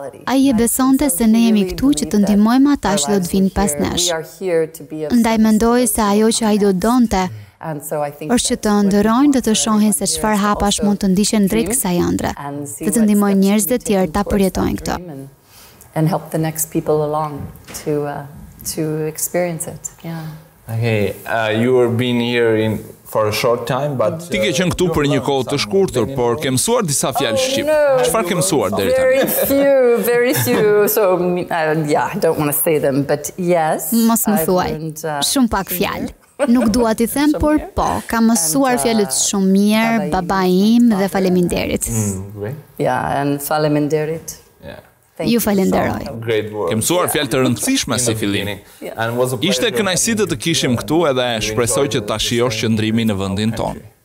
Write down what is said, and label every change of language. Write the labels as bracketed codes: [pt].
[sq] Ai e besonte se ne jemi këtu që të ndihmojmë ata që do të vinë pas nesh. Ndaj mendoj se ajo që ai do donte është që të ndërrojnë dhe të shohin se çfarë hapash mund të ndiqen drejt kësaj ëndre, dhe të ndihmojnë njerëz të tjerë ta përjetojnë këtë. [en] And help the next people along to experience it. Yeah. Okay, you have been here in for a short time, but [sq] ti ke qenë këtu për një kohë të shkurtër, por ke mësuar disa fjalë shqip. Çfarë ke mësuar deri tani? [en] Very few. So yeah, I don't want to say them, but yes. [sq] Mos më thuaj. Shumë pak fjalë. Nuk dua t'i them, por po, kam mësuar fjalët shumë mirë, baba im dhe faleminderit. [en] Yeah, and faleminderit. [sq] Ju falenderoj. Ke mësuar fjalë të rëndësishme si fillim. Ishte kënaqësi të kishim këtu edhe shpresoj që ta shijosh qëndrimin në vendin tonë.